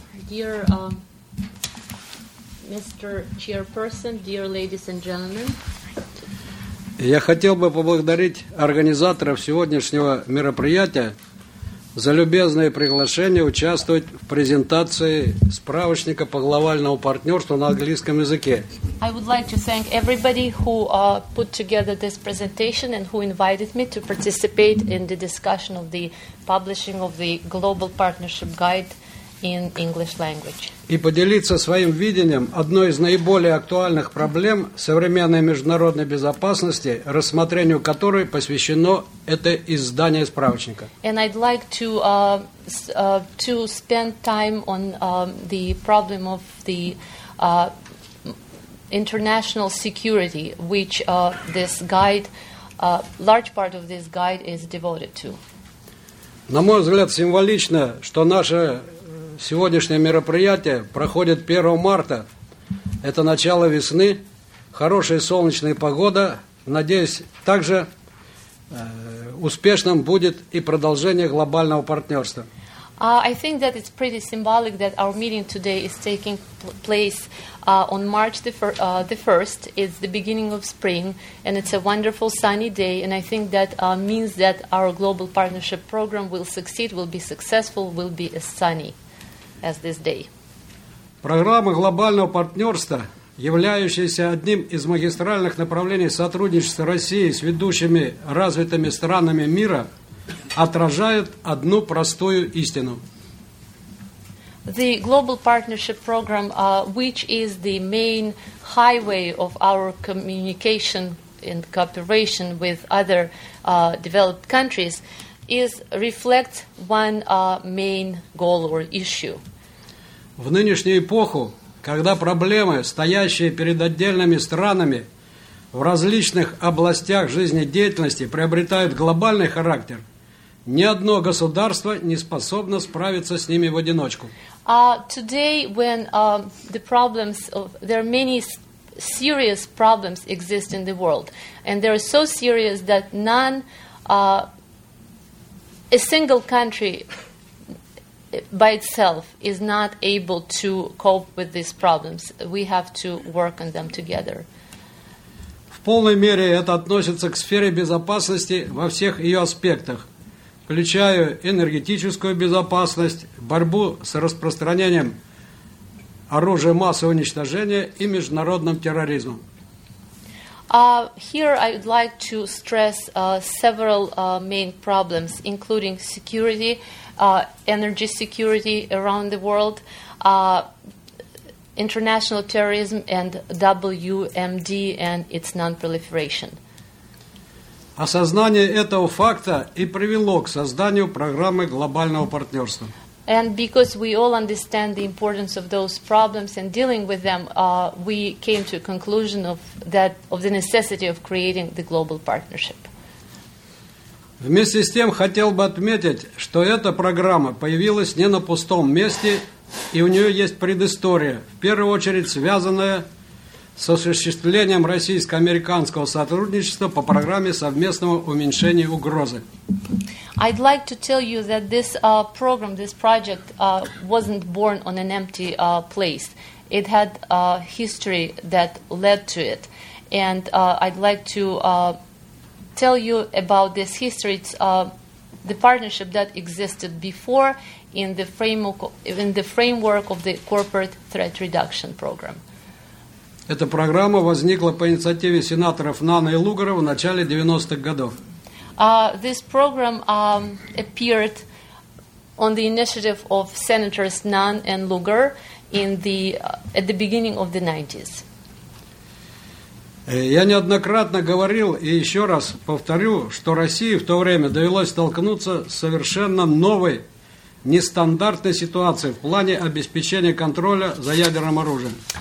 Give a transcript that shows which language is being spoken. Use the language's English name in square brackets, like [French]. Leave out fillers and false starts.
[English] Dear Mr. Chairperson, dear ladies and gentlemen. [Russian] Я хотел бы поблагодарить организаторов сегодняшнего мероприятия за любезное приглашение участвовать в презентации справочника по глобальному партнерству на английском языке. [English] I would like to thank everybody who put together this presentation and who invited me to participate in the discussion of the publishing of the Global Partnership Guide in English language. [Russian] И поделиться своим видением одной из наиболее актуальных проблем современной международной безопасности, рассмотрению которой посвящено это издание справочника. [English] And I'd like to spend time on the problem of the international security, which this guide, large part of this guide is devoted to. [Russian] На мой взгляд, символично, что наше сегодняшнее мероприятие проходит 1 марта. Это начало весны, хорошая солнечная погода. Надеюсь, также успешным будет и продолжение глобального партнерства. [English] I think that it's pretty symbolic that our meeting today is taking place on March the 1st. It's the beginning of spring, and it's a wonderful sunny day, and I think that means that our global partnership program will succeed, will be successful, will be as sunny as this day. [Russian] Программа глобального партнерства, являющаяся одним из магистральных направлений сотрудничества России с ведущими развитыми странами мира, отражает одну простую истину. [English] The Global Partnership Program, which is the main highway of our communication and cooperation with other developed countries, reflects one main goal or issue. [Russian] В нынешнюю эпоху, когда проблемы, стоящие перед отдельными странами в различных областях жизнедеятельности, приобретают глобальный характер, ни одно государство не способно справиться с ними в одиночку. [English] Today, when the problems, there are many serious problems exist in the world, and they are so serious that none, a single country, by itself is not able to cope with these problems. We have to work on them together. [Russian] В полной мере это относится к сфере безопасности во всех ее аспектах, включая энергетическую безопасность, борьбу с распространением оружия массового уничтожения и международным терроризмом. [English] Here I would like to stress several main problems, including security, energy security around the world, international terrorism and WMD and its non-proliferation. [Russian] Осознание этого факта и привело к созданию программы глобального партнерства. [English] And because we all understand the importance of those problems and dealing with them, we came to a conclusion of the necessity of creating the global partnership. [Russian] Вместе с тем хотел бы отметить, что эта программа появилась не на пустом месте, и у нее есть предыстория, в первую очередь связанная с осуществлением российско-американского сотрудничества по программе совместного уменьшения угрозы. [English] I'd like to tell you that this program, this project, wasn't born on an empty place. It had a history that led to it. And I'd like to tell you about this history. It's the partnership that existed before in the framework of the Corporate Threat Reduction Program. [Russian] Эта программа возникла по инициативе сенаторов Нана и Лугара в начале 90-х годов. [English] This program appeared on the initiative of Senators Nunn and Lugar at the beginning of the 90s. [Russian] Я неоднократно говорил и еще раз повторю, что России в то время довелось столкнуться с совершенно новой, нестандартной ситуацией в плане обеспечения контроля за ядерным оружием.